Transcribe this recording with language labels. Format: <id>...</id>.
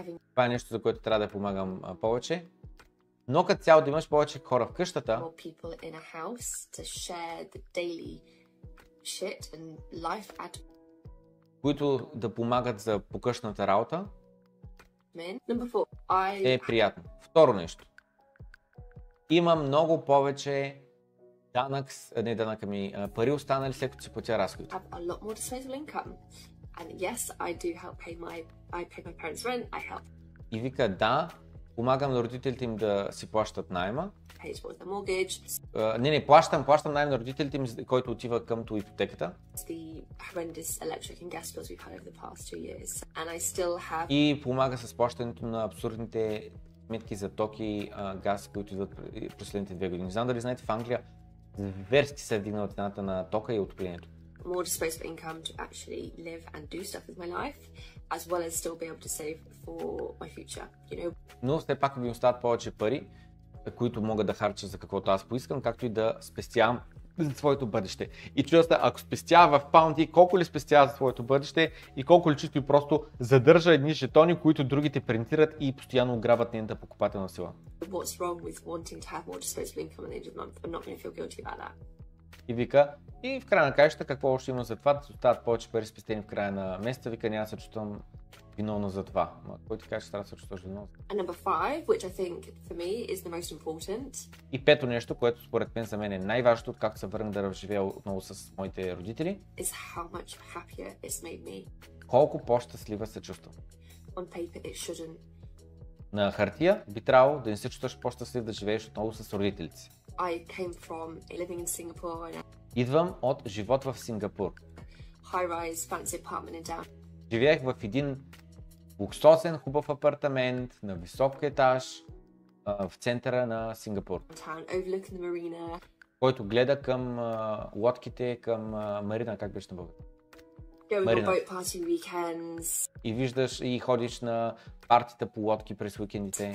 <bg>Това е нещо, за което трябва да помагам повече. Но като цяло да имаш повече хора в къщата.</bg> <en>More people in a house to share the daily shit and life at...</en> <bg>Които да помагат за покъщната работа.</bg> <en>Men. Number four, I...</en> <bg>Е приятно. Второ нещо. Има много повече данък, не данък, ами пари останали, след като си платя разходите.</bg> <en>Have a lot more disposable income. And yes, I do help pay my... I pay my parents' rent, I help.</en> <bg>И вика, да. Помагам на родителите им да си плащат найма.</bg> <en>Pay towards the mortgage.</en> <bg>Плащам найм на родителите им, който отива към ту ипотеката.</bg> <en>The horrendous electric and gas bills we've had over the past 2 years. And I still have...</en> <bg>И помага с плащането на абсурдните сметки за ток и газ, които идват последните 2 години. Знам дали знаете, в Англия зверски се вдигнала цената на тока и отоплението.</bg> <en>More disposable income to actually live and do stuff with my life, as well as still be able to save for my future, you know.</en> <bg>Но все пак ми остават повече пари, които мога да харча за каквото аз поискам, както и да спестявам за своето бъдеще. И чудесно, ако спестява в паунти, колко ли спестява за своето бъдеще и колко ли чисто и просто задържа едни жетони, които другите принтират и постоянно ограбват нейната покупателна сила.</bg> <en>What's wrong with wanting to have more disposable income at the end of the month? I'm not going to feel guilty about that.</en> <bg>И вика, и в края на краищата, какво още има за това, да остават повече пари спестени в края на месеца, вика, няма се чувствам виновна за това. Ама кой ти каже, че трябва да се чувстваш виновна?</bg> <en>And number five, which I think for me is the most important.</en> <bg>И пето нещо, което според мен за мен е най-важното, откакто се върна да разживея отново с моите родители.</bg> <en>Is how much happier it's made me.</en> <bg>Колко по-щастлива се чувствам.</bg> <en>On paper it shouldn't.</en> <bg>На хартия би трябвало да не се чувстваш по-щастлив да живееш отново с родителите.</bg> <en>I came from living in Singapore.</en> <bg>Идвам от живот в Сингапур.</bg> <en>High-rise fancy apartment in town.</en> <bg>Живеех в един луксозен хубав апартамент на висок етаж в центъра на Сингапур.</bg> <en>Town, overlooking the marina.</en> <bg>Който гледа към лодките, към марина, как беше на българ?</bg> <en>Going on boat party weekends.</en> <bg>И виждаш и ходиш на партита по лодки през уикендите.</bg>